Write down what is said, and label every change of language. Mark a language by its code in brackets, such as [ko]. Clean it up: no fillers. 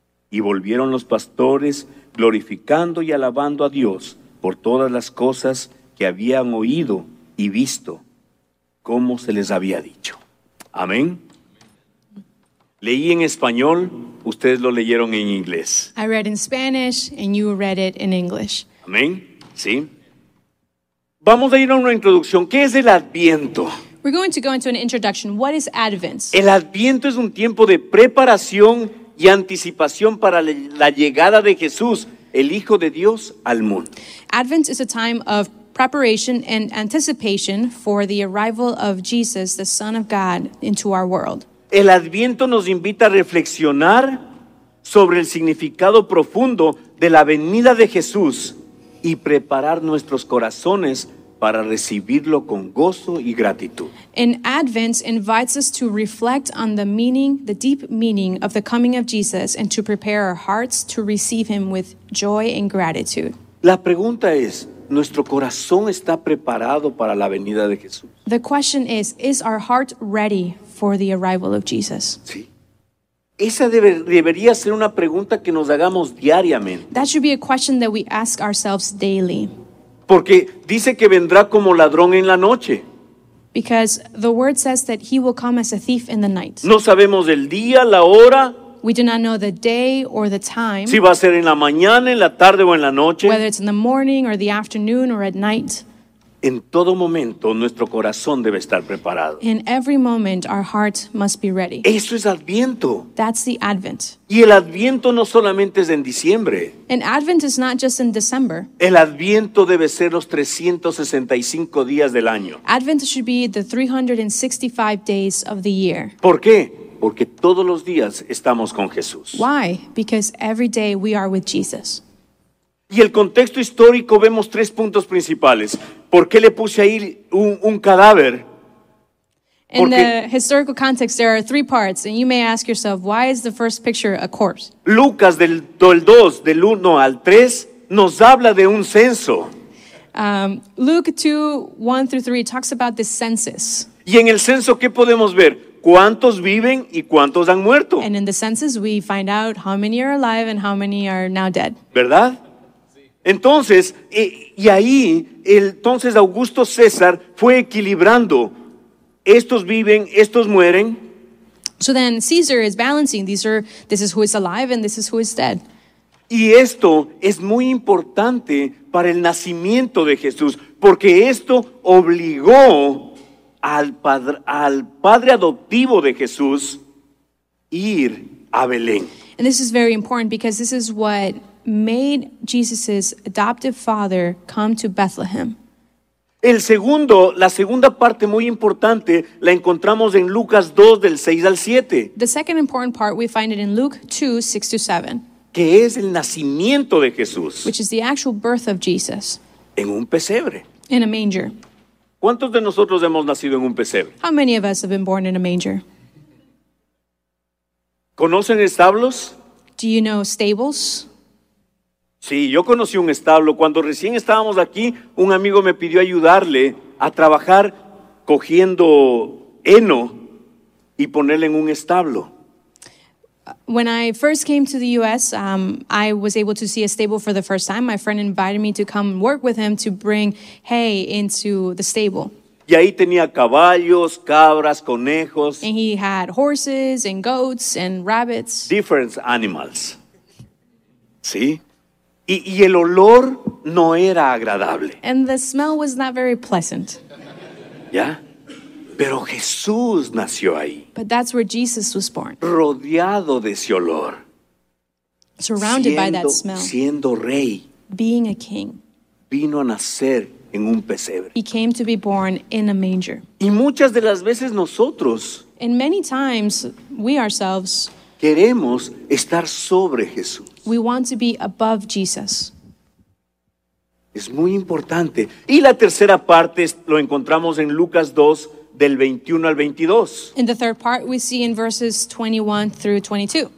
[es] Y volvieron los pastores, glorificando y alabando a Dios por todas las cosas que habían oído y visto, como se les había dicho. Amén. Leí en español, ustedes lo leyeron en inglés. [en] I read in Spanish and you read it in English. [es] Amén, sí. Vamos a ir a una introducción. ¿Qué es el Adviento? [en] We're going to go into an introduction. What is Advent? [es] El Adviento es un tiempo de preparación y anticipación para la llegada de Jesús, el Hijo de Dios, al mundo. [en] Advent is a time of preparation and anticipation for the arrival of Jesus, the Son of God, into our world. [es] El Adviento nos invita a reflexionar sobre el significado profundo de la venida de Jesús y preparar nuestros corazones para recibirlo con gozo y gratitud. [en] And Advent invites us to reflect on the meaning, the deep meaning of the coming of Jesus, and to prepare our hearts to receive him with joy and gratitude. [es] La pregunta es: ¿nuestro corazón está preparado para la venida de Jesús? [en] The question is our heart ready for the arrival of Jesus? [es] Sí. Esa debería ser una pregunta que nos hagamos diariamente. [en] That should be a question that we ask ourselves daily. [es] Porque dice que vendrá como ladrón en la noche. [en] Because the word says that he will come as a thief in the night. [es] No sabemos el día, la hora. [en] We do not know the day or the time. [es] Si va a ser en la mañana, en la tarde o en la noche. [en] Whether it's in the morning or the afternoon or at night. [es] En todo momento, nuestro corazón debe estar preparado. [en] In every moment, our heart must be ready. [es] Eso es Adviento. [en] That's the Advent. [es] Y el Adviento no solamente es en diciembre. [en] And Advent is not just in December. [es] El Adviento debe ser los 365 días del año. [en] Advent should be the 365 days of the year. [es] ¿Por qué? Porque todos los días estamos con Jesús. [en] Why? Because every day we are with Jesus. [es] Y el contexto histórico, vemos tres puntos principales. ¿Por qué le puse ahí un cadáver? [en] In the historical context, there are three parts. And you may ask yourself, why is the first picture a corpse? [es] Lucas, del 2, del 1 al 3, nos habla de un censo. [en] Luke 2, 1 through 3, talks about the census. [es] Y en el censo, ¿qué podemos ver? ¿Cuántos viven y cuántos han muerto? [en] And in the census, we find out how many are alive and how many are now dead. [es] ¿Verdad? Entonces, y ahí, entonces Augusto César fue equilibrando. Estos viven, estos mueren. [en] So then Caesar is balancing. This is who is alive and this is who is dead. [es] Y esto es muy importante para el nacimiento de Jesús, porque esto obligó al padre adoptivo de Jesús ir a Belén. [en] And this is very important because this is what made Jesus' adoptive father come to Bethlehem. [es] La segunda parte muy importante la encontramos en Lucas 2 del 6 al 7. [en] The second important part we find it in Luke 2, 6 to 7. [es] Que es el nacimiento de Jesús. [en] Which is the actual birth of Jesus. [es] En un pesebre. [en] In a manger. [es] ¿Cuántos de nosotros hemos nacido en un pesebre? [en] How many of us have been born in a manger? [es] ¿Conocen establos? [en] Do you know stables? [es] Sí, yo conocí un establo. Cuando recién estábamos aquí, un amigo me pidió ayudarle a trabajar cogiendo heno y ponerle en un establo. [en] When I first came to the U.S., I was able to see a stable for the first time. My friend invited me to come work with him to bring hay into the stable. [es] Y ahí tenía caballos, cabras, conejos. [en] And he had horses and goats and rabbits. Different animals. [es] Sí. Y el olor no era agradable. [en] And the smell was not very pleasant. [es] ¿Ya? Pero Jesús nació ahí. [en] But that's where Jesus was born. [es] Rodeado de ese olor. [en] Surrounded by that smell. [es] Siendo rey. [en] Being a king. [es] Vino a nacer en un pesebre. [en] He came to be born in a manger. [es] Y muchas de las veces nosotros. [en] And many times we ourselves. [es] Queremos estar sobre Jesús. [en] We want to be above Jesus. [es] Es muy importante. Y la tercera parte lo encontramos en Lucas 2, del 21 al 22. [en] In the third part, we see in verses 21 through 22.